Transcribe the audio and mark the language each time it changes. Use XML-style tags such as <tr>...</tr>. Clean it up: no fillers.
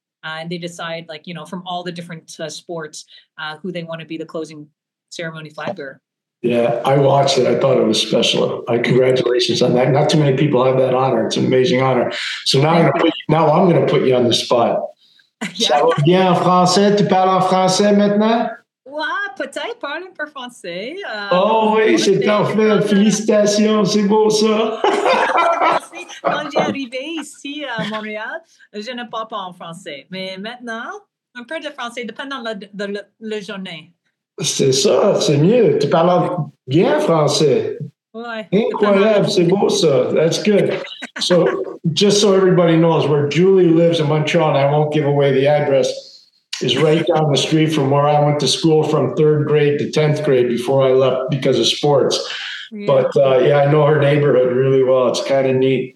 <en>And they decide, like, you know, from all the different sports, who they want to be the closing ceremony flag bearer. Yeah, I watched it. I thought it was special. Congratulations on that. Not too many people have that honor. It's an amazing honor. So now I'm going to put you on the spot.</en> <fr>Ça va bien en français? Tu parles en français maintenant? Ouais, peut-être parler un peu français. C'est parfait. Félicitations, c'est beau ça. Merci. Quand j'ai arrivé ici à Montréal, je ne parle pas en français. Mais maintenant, un peu de français, dépendant de la journée. C'est ça, c'est mieux. Tu parles bien français. Ouais. Incroyable, c'est beau ça.</fr> <en>That's good. So, just so everybody knows, where Julie lives in Montreal, and I won't give away the address, is right down the street from where I went to school from 3rd grade to 10th grade before I left because of sports. Yeah. But I know her neighborhood really well. It's kind of neat.</en>